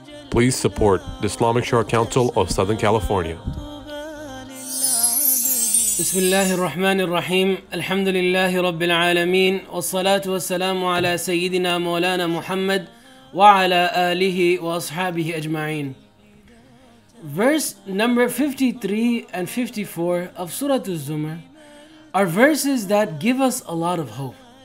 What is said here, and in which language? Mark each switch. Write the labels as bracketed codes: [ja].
[en] Please support the Islamic Shura Council of Southern California. [ar] بسم الله الرحمن الرحيم الحمد لله رب العالمين والصلاة والسلام على سيدنا مولانا محمد وعلى آله وأصحابه أجمعين. [en] Verse number 53 and 54 of Surah Az-Zumar are verses that give us a lot of hope.